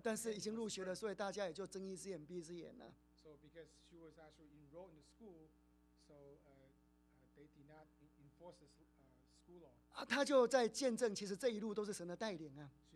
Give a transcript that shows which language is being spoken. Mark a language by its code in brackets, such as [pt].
[zh] 但是已经入学了，所以大家也就睁一只眼闭一只眼了。 [en] So because she was actually enrolled in the school, so they did not enforce this. [zh] 他就在见证，其实这一路都是神的带领啊。